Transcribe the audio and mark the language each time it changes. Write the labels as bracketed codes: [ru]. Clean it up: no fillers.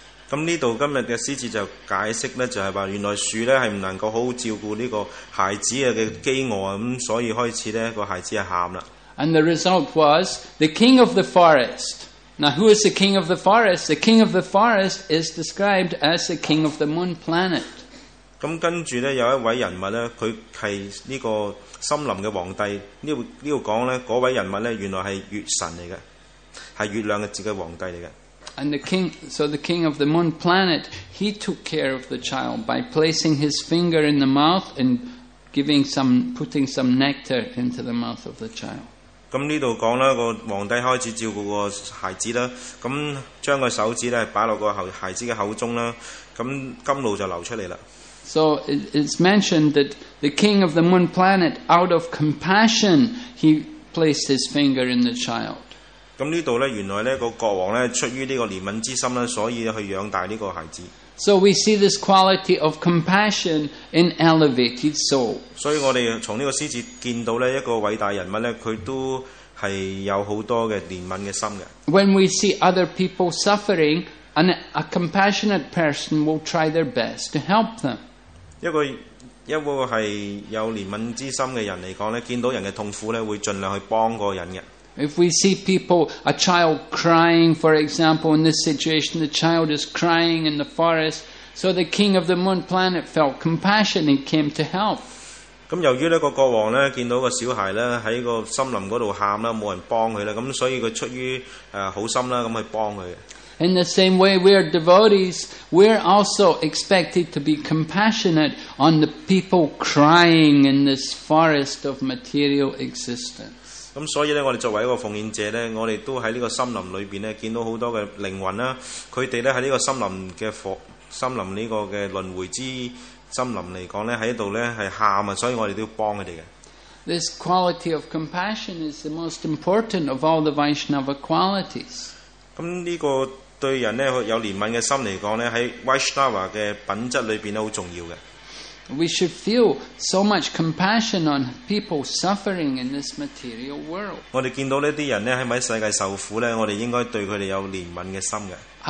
[yue] 咁呢度今日嘅詩節就解釋咧，就係話原來樹咧係唔能夠好好照顧呢個孩子嘅飢餓咁所以開始咧個孩子係喊啦。 [en] And the result was the king of the forest. Now, who is the king of the forest? The king of the forest is described as the king of the moon planet. [yue] 咁跟住咧，有一位人物咧，佢系呢个森林嘅皇帝。呢度讲咧，嗰位人物咧，原来系月神嚟嘅，系月亮嘅自己皇帝嚟嘅。 [en] And the king, so the king of the moon planet, he took care of the child by placing his finger in the mouth and putting some nectar into the mouth of the child. [yue] 咁呢度講啦，個皇帝開始照顧個孩子啦，咁將個手指咧擺落個孩子嘅口中啦，咁甘露就流出嚟啦。 [en] So it's mentioned that the king of the moon planet, out of compassion, he placed his finger in the child. [yue] 咁呢度咧，原來咧個國王咧出於呢個憐憫之心咧，所以去養大呢個孩子。 [en] So we see this quality of compassion in elevated soul. [yue] 所以我哋從呢個詩節見到咧一個偉大人物咧，佢都係有好多嘅憐憫嘅心嘅。 [en] When we see other people suffering, a compassionate person will try their best to help them. [yue] 一個係有憐憫之心嘅人嚟講咧，見到人嘅痛苦咧，會盡量去幫嗰個人嘅。 [en] If we see people, a child crying, for example, in this situation, the child is crying in the forest, so the king of the moon planet felt compassion and came to help. [yue] 咁由於咧個國王咧見到個小孩咧喺個森林嗰度喊啦，冇人幫佢啦，咁所以佢出於好心啦，咁去幫佢。 [en] In the same way, we are devotees, we are also expected to be compassionate on the people crying in this forest of material existence. [yue] 咁所以咧，我哋作為一個奉獻者咧，我哋都喺呢個森林裏邊咧，見到好多嘅靈魂啦。佢哋咧喺呢個森林呢個嘅輪迴之森林嚟講咧，喺度咧係喊啊，所以我哋都要幫佢哋嘅。 [en] This quality of compassion is the most important of all the Vaishnava qualities. [yue] 咁呢個對人咧有憐憫嘅心嚟講咧，喺 Vaishnava 嘅品質裏邊咧好重要嘅。 [en] We should feel so much compassion on people suffering in this material world. [yue] 我哋見到呢啲人咧喺咪世界受苦咧，我哋應該對佢哋有憐憫嘅心嘅。